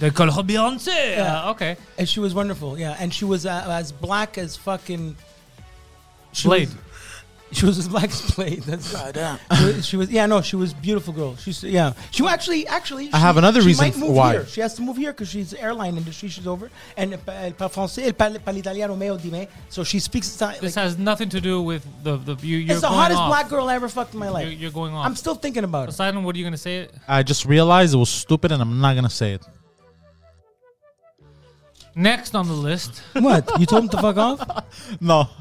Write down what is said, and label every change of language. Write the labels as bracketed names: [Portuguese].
[English] They call her Beyonce. Yeah, okay. And she was wonderful, yeah. And she was as black as fucking... Blade. She was as black as Blade. That's right, yeah. She was a beautiful girl. I have another reason why. Here. She has to move here because she's airline industry. She's over. [French] And elle parle français, elle parle l'italien au meilleur dîner. [English] So she speaks... This has nothing to do with the you, you're... It's the hottest off. Black girl I ever fucked in my life. You're going off. I'm still thinking about it. Poseidon, what are you going to say? I just realized it was stupid and I'm not going to say it. Next on the list. What? You told him to fuck off? No.